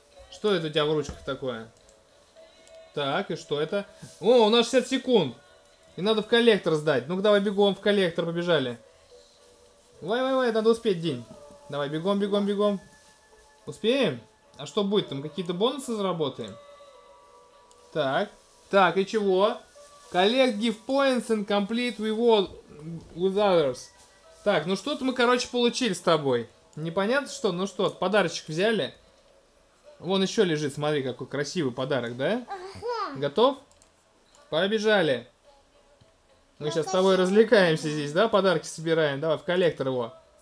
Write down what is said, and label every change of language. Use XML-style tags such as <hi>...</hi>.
<ru>Что это у тебя в ручках такое? Так, и что это? О, у нас 60 секунд. И надо в коллектор сдать. Ну-ка, давай бегом в коллектор, побежали. Вай-вай-вай, надо успеть, Дин. Давай бегом, бегом, бегом. Успеем? А что будет, там какие-то бонусы заработаем? Так, так, и чего?</ru> <en>Collect gift points and complete reward with others.</en> <ru>Так, ну что-то мы, короче, получили с тобой. Непонятно что, ну что, подарочек взяли. Вон еще лежит, смотри, какой красивый подарок, да? Ага. Готов? Побежали. Мы сейчас с тобой развлекаемся здесь, да? Подарки собираем. Давай, в коллектор его.</ru>